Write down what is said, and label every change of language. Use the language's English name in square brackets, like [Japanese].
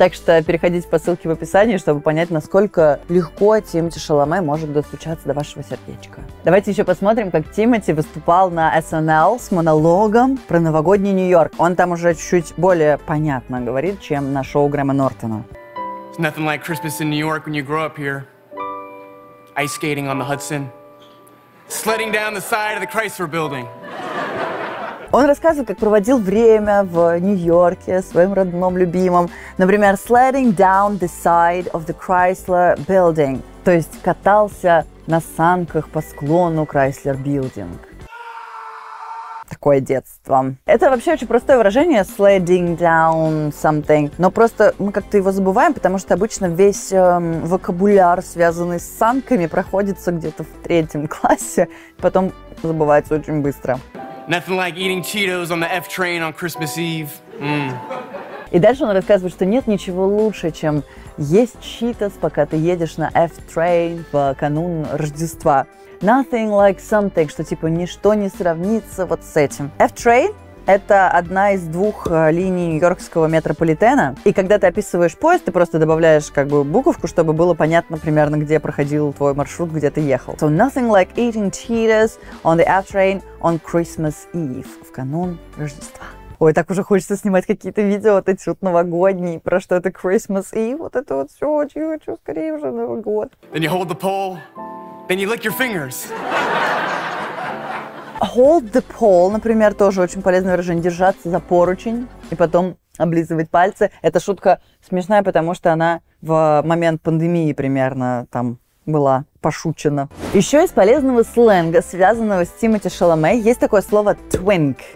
[Russian] Так что переходите по ссылке в описании, чтобы понять, насколько легко Тимоти Шаламе может достучаться до вашего сердечка. Давайте еще посмотрим, как Тимоти выступал на SNL с монологом про новогодний Нью-Йорк. Он там уже чуть более понятно говорит, чем на шоу Грэма Нортона. [English] It's nothing like Christmas in New York when you grow up here. Ice skating on the Hudson. Sledding down the side of the Chrysler building. [Russian] Он рассказывает, как проводил время в Нью-Йорке, своем родном, любимом. Например, [English] sledding down the side of the Chrysler Building. [Russian] То есть катался на санках по склону Chrysler Building. Такое детство. Это вообще очень простое выражение, [English] sledding down something. [Russian] Но просто мы как-то его забываем, потому что обычно весь вокабуляр, связанный с санками, проходится где-то в третьем классе. Потом забывается очень быстро. [English] Nothing like eating Cheetos on the F train on Christmas Eve. [Russian] И дальше он рассказывает, что нет ничего лучше, чем есть Cheetos, пока ты едешь на F train в канун Рождества. [English] Nothing like something, [Russian] что типа ничто не сравнится вот с этим. F train — это одна из двух линий нью-йоркского метрополитена. И когда ты описываешь поезд, ты просто добавляешь как бы буковку, чтобы было понятно примерно, где проходил твой маршрут, где ты ехал. [English] So nothing like eating Cheetos on the F train on Christmas Eve. [Russian] В канун Рождества. Ой, так уже хочется снимать какие-то видео вот эти вот новогодние, про что это Christmas Eve, вот это вот все, очень хочу скорее уже Новый год. [English] Then you hold the pole, then you lick your fingers. Hold the pole, [Russian] например, тоже очень полезное выражение, держаться за поручень и потом облизывать пальцы. Эта шутка смешная, потому что она в момент пандемии примерно там была пошучена. Еще из полезного сленга, связанного с Тимоти Шаломе, есть такое слово twink.